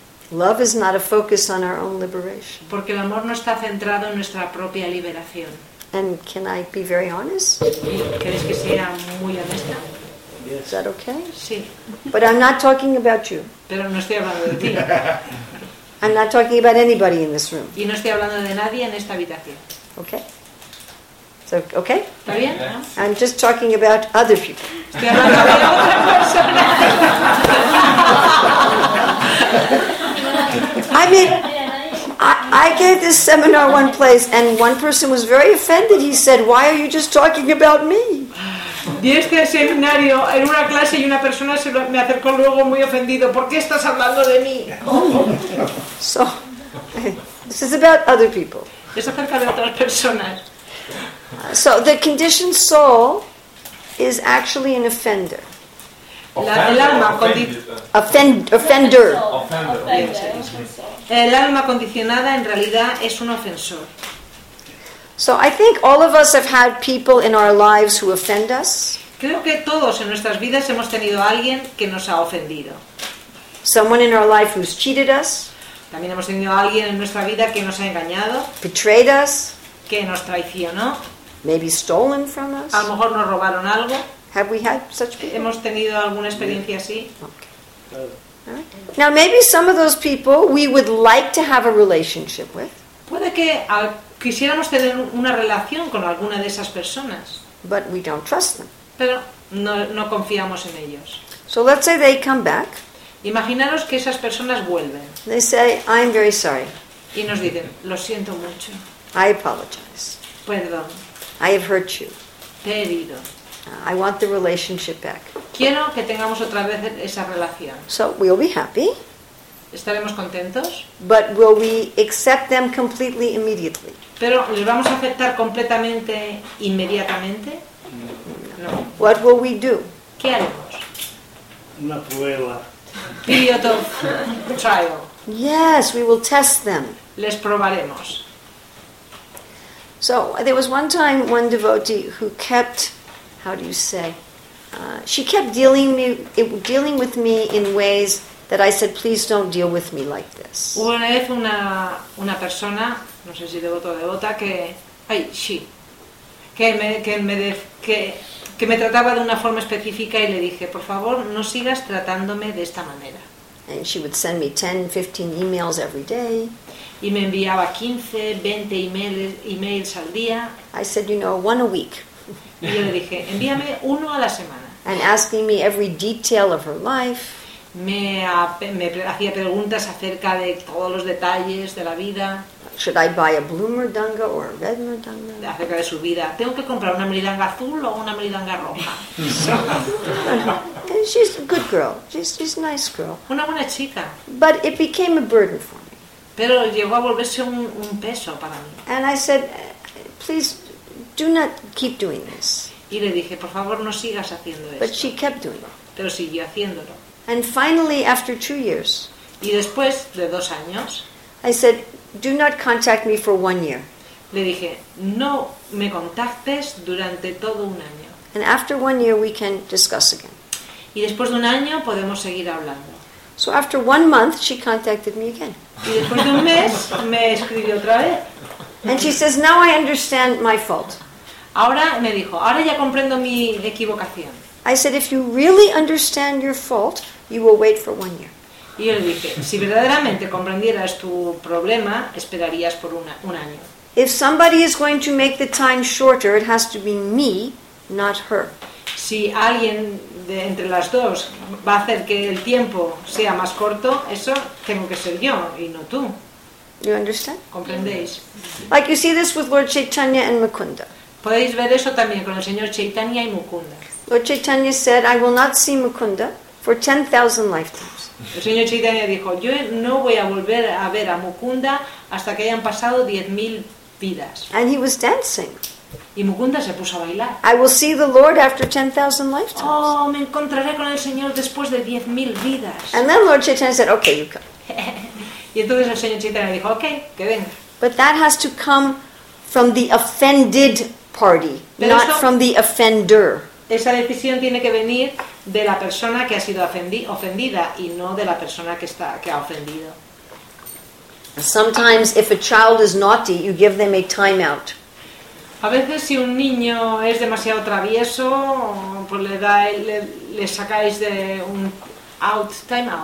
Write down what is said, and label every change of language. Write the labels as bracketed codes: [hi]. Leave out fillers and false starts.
[en] Love is not a focus on our own liberation. [es] Porque el amor no está centrado en nuestra propia liberación. [en] And can I be very honest? [es] ¿Quieres que sea muy honesta? [en] Is that okay? [es] Sí. [en] But I'm not talking about you. [es] Pero no estoy hablando de ti. [en] I'm not talking about anybody in this room. [es] Y no estoy hablando de nadie en esta habitación. [en] Okay. So, okay? [es] ¿Está bien? [en] I'm just talking about other people. [es] Estoy hablando de otra persona. [en] I mean, I gave this seminar one place, and one person was very offended. He said, "Why are you just talking about me?" [es] Di este seminario en una clase y una persona se me acercó luego muy ofendido. ¿Por qué estás hablando de mí? [en] So, this is about other people. [es] Es acerca de otras personas. [en] So the conditioned soul is actually an offender. [es] El alma condicionada en realidad es un ofensor. [en] So I think all of us have had people in our lives who offend us. [es] Creo que todos en nuestras vidas hemos tenido alguien que nos ha ofendido. [en] Someone in our life who's cheated us. [es] También hemos tenido alguien en nuestra vida que nos ha engañado. [en] Betrayed us. [es] Que nos traicionó. [en] Maybe stolen from us. [es] A lo mejor nos robaron algo. [en] Have we had such people? [es] ¿Hemos tenido alguna experiencia así? [en] Now maybe some of those people we would like to have a relationship with. [es] Puede que quisiéramos tener una relación con alguna de esas personas. [en] But we don't trust them. [es] Pero no confiamos en ellos. [en] So let's say they come back. [es] Imaginaros que esas personas vuelven. [en] They say, "I'm very sorry." [es] Y nos dicen, "Lo siento mucho." [en] I apologize. [es] Perdón. [en] I have hurt you. [es] Te he herido. [en] I want the relationship back. [es] Quiero que tengamos otra vez esa relación. [en] So we'll be happy. [es] Estaremos contentos. [en] But will we accept them completely immediately? [es] Pero ¿les vamos a aceptar completamente inmediatamente? [en] No. What will we do? [es] ¿Qué haremos? Una prueba. [en] Period of trial. Yes, we will test them. [es] Les probaremos. [en] So there was one time one devotee who kept, how do you say, she kept dealing with me in ways that I said, please don't deal with me like this. [es] Hubo una vez una persona, no sé si devoto o devota, que me trataba de una forma específica y le dije, por favor, no sigas tratándome de esta manera. [en] And she would send me 10, 15 emails every day. [es] Y me enviaba 15, 20 emails al día. [en] I said, you know, one a week. [es] Y yo le dije, envíame uno a la semana. [en] And asking me every detail of her life. [es] Me hacía preguntas acerca de todos los detalles de la vida. [en] Should I buy a blue merdanga or a red merdanga? [es] Acerca de su vida. ¿Tengo que comprar una merdanga azul o una merdanga roja? [en] She's a good girl. She's a nice girl. [es] Una buena chica. [en] But it became a burden for me. [es] Pero llegó a volverse un peso para mí. [en] And I said, please do not keep doing this. [es] Y le dije, por favor, no sigas haciendo esto. [en] But she kept doing it. [es] Pero siguió haciéndolo. [en] And finally, after 2 years, [es] y después de 2 años, [en] I said, do not contact me for 1 year. [es] Le dije, no me contactes durante todo un año. [en] And after 1 year, we can discuss again. [es] Y después de un año, podemos seguir hablando. [en] So after 1 month, she contacted me again. [es] Y después de un mes, me escribió otra vez. [en] And she says, now I understand my fault. [es] Ahora me dijo, ahora ya comprendo mi equivocación. [en] I said, if you really understand your fault, you will wait for 1 year. [es] Y yo le dije, si verdaderamente comprendieras tu problema, esperarías por un año. [en] If somebody is going to make the time shorter, it has to be me, not her. [es] Si alguien de entre las dos va a hacer que el tiempo sea más corto, eso tengo que ser yo y no tú. [en] You understand? [es] ¿Comprendéis? [en] Like you see this with Lord Chaitanya and Mukunda. [es] Podéis ver eso también con el señor Chaitanya y Mukunda. [en] Lord Chaitanya said, I will not see Mukunda for 10,000 lifetimes. [es] El señor Chaitanya dijo, yo no voy a volver a ver a Mukunda hasta que hayan pasado 10,000 vidas. [en] And he was dancing. [es] Y Mukunda se puso a bailar. [en] I will see the Lord after 10,000 lifetimes. [es] Oh, me encontraré con el Señor después de 10,000 vidas. [en] And then Lord Chaitanya said, okay, you come. [es] Y entonces el señor Chaitanya dijo, okay, que venga. [en] But that has to come from the offended party, not from the offender. [es] esa decisión tiene que venir de la persona que ha sido ofendida y no de la persona que ha ofendido. [en] Sometimes if a child is naughty, you give them a time out. [es] A veces si un niño es demasiado travieso, pues le sacáis de un out, time out.